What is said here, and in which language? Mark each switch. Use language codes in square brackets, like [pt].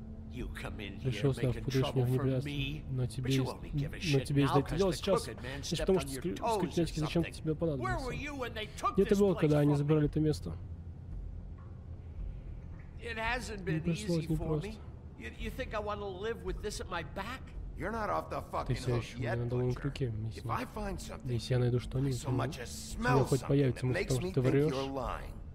[en] You come in here making trouble for me, but you only give a shit now because the crooked man stepped on your toes or something. [ru] Зачем тебе понадобился? Где ты был, когда они забрали это место? [en] It hasn't been easy for me. You think I want to live with this at my back? You're not off the fucking hook yet, butcher. If I find something, [ru] если я найду что-нибудь, [en] so much as smell something that makes me think you're lying.